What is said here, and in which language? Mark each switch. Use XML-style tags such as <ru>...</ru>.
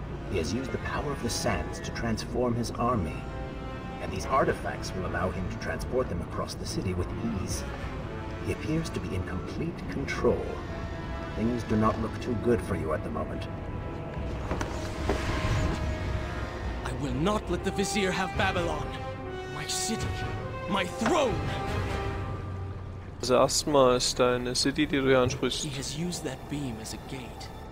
<en>He has used the power of the sands to transform his army. And these artifacts will allow him to transport them across the city with ease. He appears to be in complete control. Things do not look too good for you at the moment. I will not let the Vizier have Babylon. My city. My throne.</en> <de>Also erstmal ist deine City, die du ansprichst.</de> <en>He has used that beam as a gate.</en>